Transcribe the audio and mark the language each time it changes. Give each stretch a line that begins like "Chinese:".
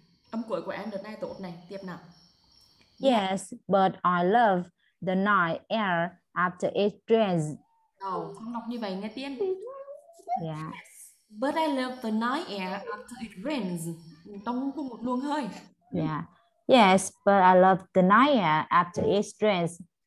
Vietnamese: Âm cuối của em đợt này tốt này, tiếp nào.
English: Yes, but I love the night air after it rains.
Vietnamese: Oh, không đọc như vậy nghe tiếng.
English: Yeah. But I love the night air after it rains.
Vietnamese: Trong cùng một luồng hơi.
English: Yeah. Yes, but I love the night air after it rains.